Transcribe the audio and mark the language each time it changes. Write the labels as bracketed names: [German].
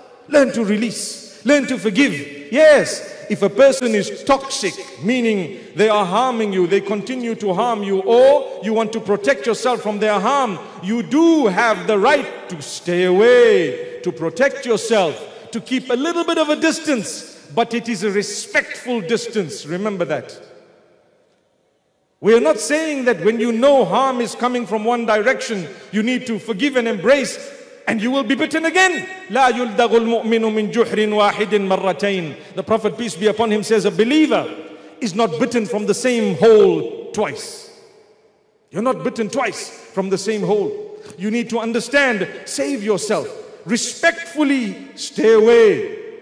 [English] Learn to release. Learn to forgive. Yes, if a person is toxic, meaning they are harming you, they continue to harm you, or you want to protect yourself from their harm, you do have the right to stay away, to protect yourself, to keep a little bit of a distance, but it is a respectful distance. Remember that. We are not saying that when you know harm is coming from one direction, you need to forgive and embrace, and you will be bitten again. [Arabic] لا يلدغ المؤمن من جحر واحد مرتين. [English] The Prophet, peace be upon him, says a believer is not bitten from the same hole twice. You're not bitten twice from the same hole. You need to understand, save yourself. Respectfully stay away.